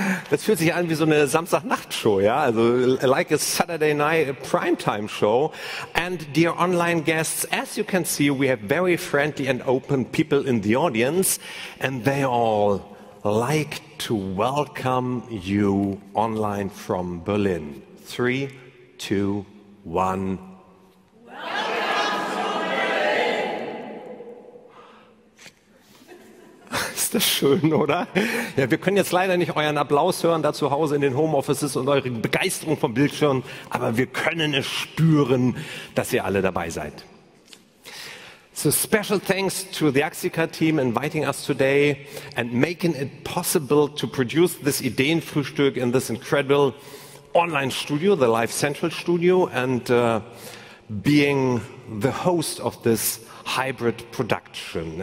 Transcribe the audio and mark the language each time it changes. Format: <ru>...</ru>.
<de>Das fühlt sich an wie so eine Samstagnachtshow, ja?</de> <en>Also, like a Saturday night primetime show. And dear online guests, as you can see, we have very friendly and open people in the audience. And they all like to welcome you online from Berlin. 3, 2, 1.</en> <de>Ist das schön, oder? Ja, wir können jetzt leider nicht euren Applaus hören, da zu Hause in den Homeoffices und eure Begeisterung vom Bildschirm, aber wir können es spüren, dass ihr alle dabei seid.</de> <en>So special thanks to the AXICA team inviting us today and making it possible to produce this Ideenfrühstück in this incredible online studio, the Live Central Studio, and being the host of this hybrid production.</en>